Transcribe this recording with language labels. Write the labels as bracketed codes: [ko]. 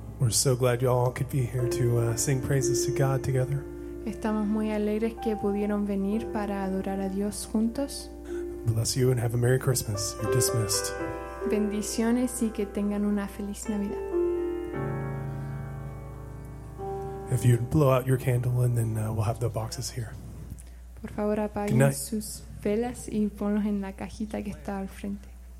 [en] So glad you all could be here to sing praises to God together. [es] Estamos muy alegres que pudieron venir para adorar a Dios juntos. [en] Bless you and have a Merry Christmas. You're dismissed. [es] Bendiciones y que tengan una feliz Navidad. [en] If you'd blow out your candle and then we'll have the boxes here. [es] Por favor, apaguen sus velas y ponlos en la cajita que está al frente.